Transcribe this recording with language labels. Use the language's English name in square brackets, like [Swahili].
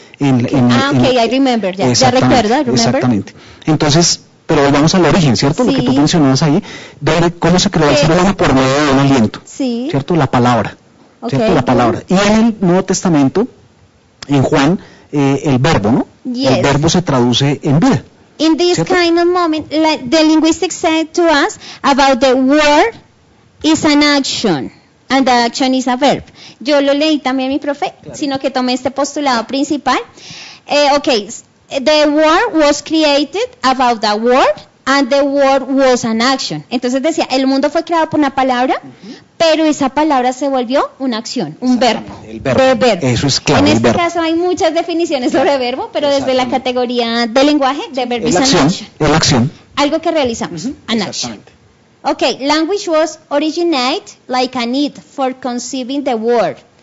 [English] I remember, [Spanish] ya recuerdo, [English] remember. [Spanish] Exactamente. Entonces, pero volvamos al origen, ¿cierto? Sí. Lo que tú mencionabas ahí, de cómo se creó el ser humano por medio de un aliento, sí. ¿cierto? La palabra, [English] okay. [Spanish] ¿cierto? La palabra. Y en el Nuevo Testamento, en Juan, el verbo, ¿no? [English] Yes. [Spanish] El verbo se traduce en vida. [English] In this [Spanish] ¿cierto? [English] Kind of moment, like the linguistics said to us about the word is an action, and the action is a verb. [Spanish] Yo lo leí también, mi profe, claro. Sino que tomé este postulado principal. [English] Okay, the word was created about the word, and the word was an action. [Spanish] Entonces decía, el mundo fue creado por una palabra, pero esa palabra se volvió una acción, un verbo. El verbo. Eso es claro. En este caso hay muchas definiciones sobre verbo, pero desde la categoría de lenguaje, de verbo es [English] an action. [Spanish] Es la acción. Algo que realizamos, [English] an action. Okay, language was originated like a need for conceiving the word.